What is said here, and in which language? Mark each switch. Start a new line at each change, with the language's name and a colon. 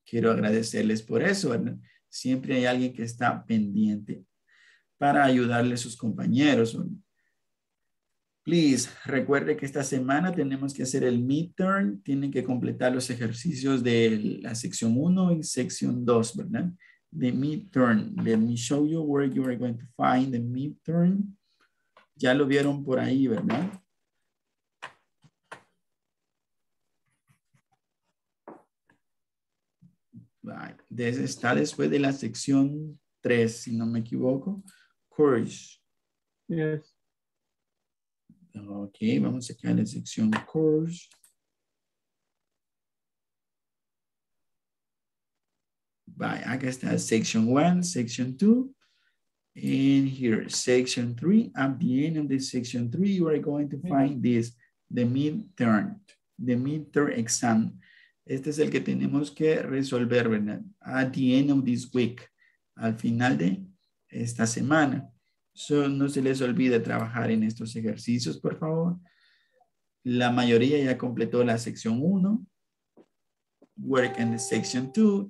Spanish: Quiero agradecerles por eso, ¿verdad? Siempre hay alguien que está pendiente para ayudarle a sus compañeros, ¿verdad? Please, recuerde que esta semana tenemos que hacer el midterm. Tienen que completar los ejercicios de la sección 1 y sección 2, ¿verdad?
English: The midterm. Let me show you where you are going to find the midterm.
Spanish: Ya lo vieron por ahí, ¿verdad?
English: Right.
Spanish: Está después de la sección 3, si no me equivoco.
English: Course. Yes.
Spanish: Ok, vamos acá en la sección course.
English: Bye,
Spanish: acá está
English: section 1, section 2. And here, section 3. At the end of the section 3, you are going to find this, the midterm exam.
Spanish: Este es el que tenemos que resolver, ¿verdad?
English: At the end of this week,
Spanish: al final de esta semana. So, no se les olvide trabajar en estos ejercicios, por favor. La mayoría ya completó la sección 1.
English: Work in the section 2.